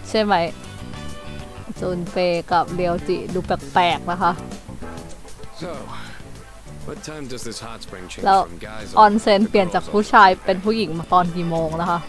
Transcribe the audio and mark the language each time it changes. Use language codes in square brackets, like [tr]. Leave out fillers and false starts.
[th] ใช่ไหมจูนเฟกับเดียวจิดูแปลกๆนะคะ [en] So what time does this hot spring change from guys on sen [th] เปลี่ยนจากผู้ชายเป็นผู้หญิงมาตอนกี่โมงนะคะ